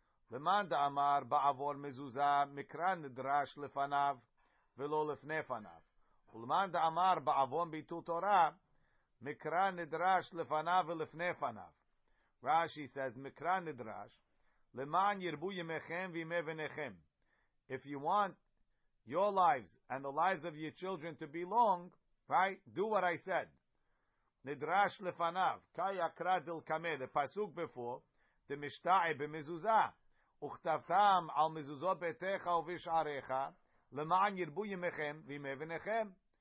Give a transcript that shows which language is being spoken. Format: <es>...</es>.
<he>למען דאמר בעבור מזוזה מקרא נדרש לפניו ולא לפניו. ולמען דאמר בעבור ביטול תורה מקרא נדרש לפניו ולפניו.</he> <en>Rashi says,</en> <he>מקרא נדרש, למען ירבו ימיכם וימי בניכם.</he> <en>If you want your lives and the lives of your children to be long, right, do what I said.</en> <he>נדרש לפניו, כי יקרא דלקמה,</he> <en>the pasuk before, the</en> <he>משתאה במזוזה. וכתבתם על מזוזות ביתך ובשעריך, למען ירבו ימיכם וימי בניכם.</he>